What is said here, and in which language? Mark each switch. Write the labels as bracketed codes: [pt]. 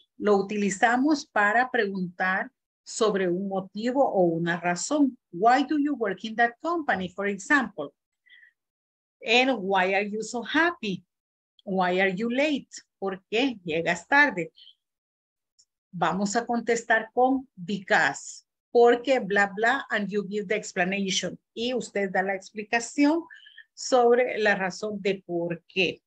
[es] Lo utilizamos para preguntar sobre un motivo o una razón. [en] Why do you work in that company, for example? And why are you so happy? Why are you late? [es] ¿Por qué llegas tarde? Vamos a contestar con because. Porque bla, bla, [en] and you give the explanation. [es] Y usted da la explicación sobre la razón de por qué.